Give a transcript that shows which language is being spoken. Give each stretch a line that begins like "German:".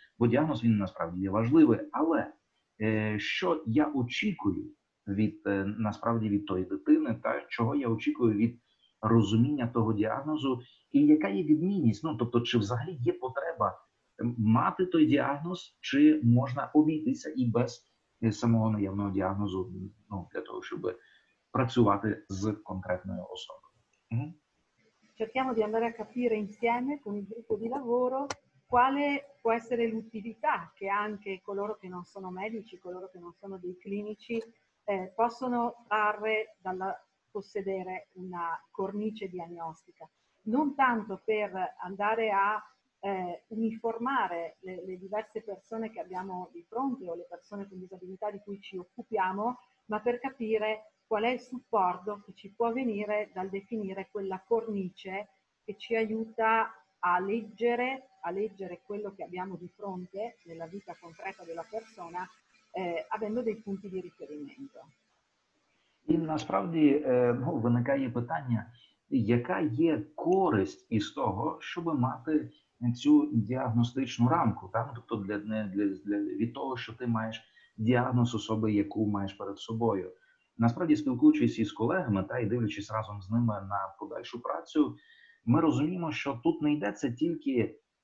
Ukrainian: Бо діагноз, він насправді є важливий, але що я очікую від тої дитини, та чого я очікую від розуміння того діагнозу, і яка є відмінність, тобто чи взагалі є потреба мати той діагноз, чи можна обійтися і без самого наявного діагнозу, для того, щоб працювати з конкретною особою.
Italian: Cerchiamo di andare a capire insieme con il gruppo di lavoro quale può essere l'utilità che anche coloro che non sono medici, coloro che non sono dei clinici, possono trarre dal possedere una cornice diagnostica. Non tanto per andare a uniformare le diverse persone che abbiamo di fronte o le persone con disabilità di cui ci occupiamo, ma per capire qual è il supporto che ci può venire dal definire quella cornice che ci aiuta a leggere quello che abbiamo di fronte nella vita concreta della persona, avendo dei punti di riferimento.
Ukrainian: І насправді виникає питання, яка є користь із того, щоб мати цю діагностичну рамку, так? Тобто для від того, що ти маєш діагноз особи, яку маєш перед собою. Насправді, спілкуючись із колегами та й дивлячись разом з ними на подальшу працю, ми розуміємо, що тут не йдеться тільки